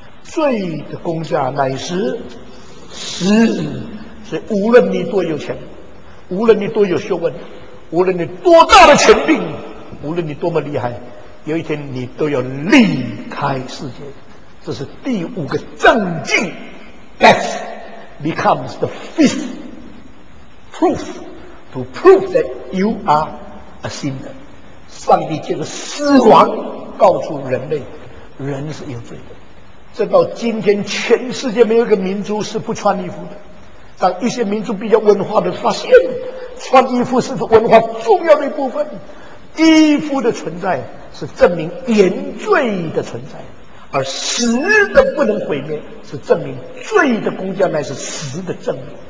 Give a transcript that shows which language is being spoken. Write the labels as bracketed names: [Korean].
[Chinese] 罪的工价乃是死。所以无论你多有钱，无论你多有学问，无论你多大的权柄，无论你多么厉害，有一天你都要离开世界。这是第五个正境。 [English] Death becomes the fifth proof to prove that you are a sinner。 [Chinese] 上帝借着死亡告诉人类，人是有罪的。这到今天全世界没有一个民族是不穿衣服的。当一些民族比较文化的发现，穿衣服是文化重要的一部分，衣服的存在是证明原罪的存在，而死的不能毁灭是证明罪的工价乃是死的证明。